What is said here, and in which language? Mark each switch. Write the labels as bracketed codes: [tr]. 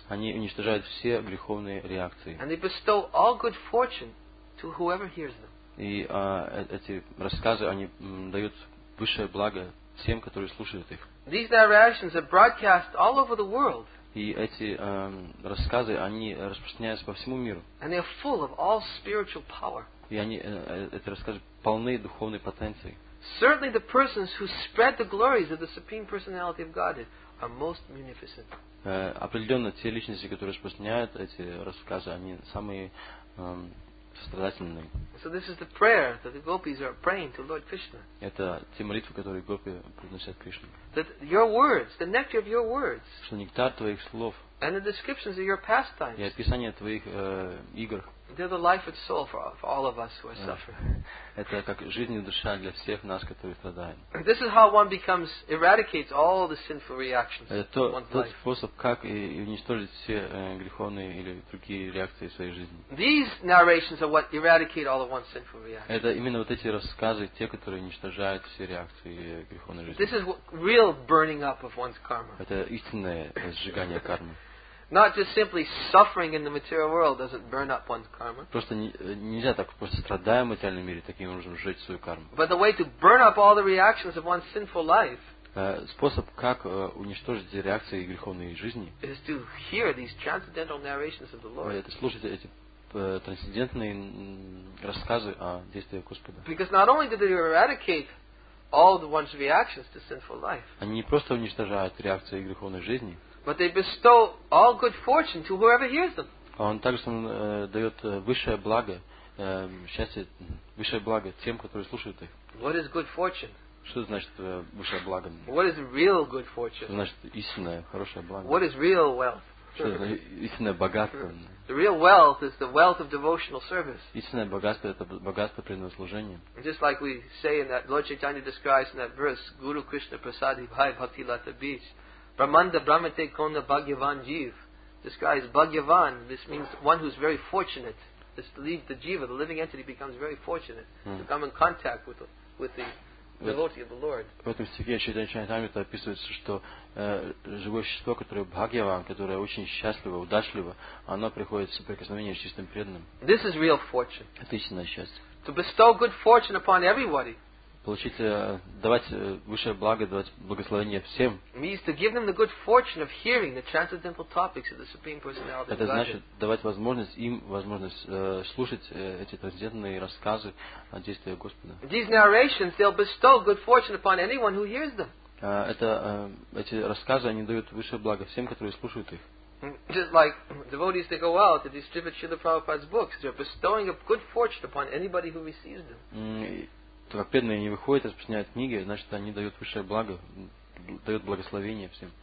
[ru] Они уничтожают все греховные реакции. [en] And they bestow all good fortune to whoever hears them. [ru] И эти рассказы, они дают высшее благо тем, которые слушают их. [en] These narrations are broadcast all over the world. [ru] И эти рассказы, они распространяются по всему миру. [en] And they are full of all spiritual power. [ru] И они, эти рассказы полны духовной потенции. [en] Certainly the persons who spread the glories of the Supreme Personality of Godhead are most munificent. [ru] Определенно, те личности, которые распространяют эти рассказы, они самые сострадательные. [en] So this is the prayer that the gopis are praying to Lord Krishna. [ru] Это те молитвы, которые гопи произносят Кришне. [en] That your words, the nectar of your words, [ru] что нектар твоих слов, [en] and the descriptions of your pastimes, [ru] и описание твоих игр, [en] they're the life and soul for all of us who are suffering. [ru] Это как жизнь и душа для всех нас, которые страдаем. [en] This is how one becomes eradicates all the sinful reactions. [ru] Это тот способ, как и уничтожить все греховные или другие реакции в своей жизни. [en] These narrations are what eradicate all of one's sinful reactions. [ru] Это именно вот эти рассказы, те, которые уничтожают все реакции греховной жизни. [en] This is real burning up of one's karma. [ru] Это истинное сжигание кармы. [en] Not just simply suffering in the material world doesn't burn up one's karma. [ru] Просто нельзя так просто страдая в материальном мире таким образом сжечь свою карму. [en] But the way to burn up all the reactions of one's sinful life. [ru] Способ как уничтожить реакции греховной жизни. [en] Is to hear these transcendental narrations of the Lord. [ru] Это слушать эти трансцендентные рассказы о действиях Господа. [en] Because not only do they eradicate all the one's reactions to sinful life. [ru] Они не просто уничтожают реакции греховной жизни. [en] But they bestow all good fortune to whoever hears them. [ru] Он также дает высшее благо, счастье, высшее благо тем, которые слушают их. [en] What is good fortune? [ru] Что значит высшее благо? [en] What is real good fortune? [ru] Что значит истинное хорошее благо? [en] What is real wealth? [ru] Что значит истинное богатство? [en] The real wealth is the wealth of devotional service. [ru] Истинное богатство это богатство преданного служения. [en] Just like we say in that Lord Chaitanya describes in that verse, [sa] Guru Krishna Prasadi Bhai Bhakti Lata Beach. Brahmanda Brahmate Kona Bhagyavan Jeev. [en] This guy is Bhagyavan. This means one who's very fortunate. This leaves the Jeeva, the living entity, becomes very fortunate to come in contact with the devotee of the Lord. [ru] В этом стихе Чайтанья Чаритамрита описывается, что живое существо, которое Бхагьяван, которое очень счастливо, удачливо, оно приходит в соприкосновение с чистым преданным. [en] This is real fortune. [ru] Это истинное счастье. [en] To bestow good fortune upon everybody. [ru] Получить, давать высшее благо, давать благословение всем. Это значит давать возможность им, возможность слушать эти трансцендентные рассказы о действиях Господа. [en] These narrations, they'll bestow good fortune upon anyone who hears them. [ru] Эти рассказы, они дают высшее благо всем, которые слушают их. [en] Just like devotees that go out to distribute Srila Prabhupada's books, they're bestowing a good fortune upon anybody who receives them. [ru] Как преданные не выходят, распространяют книги, значит, они дают высшее благо, дают благословение всем.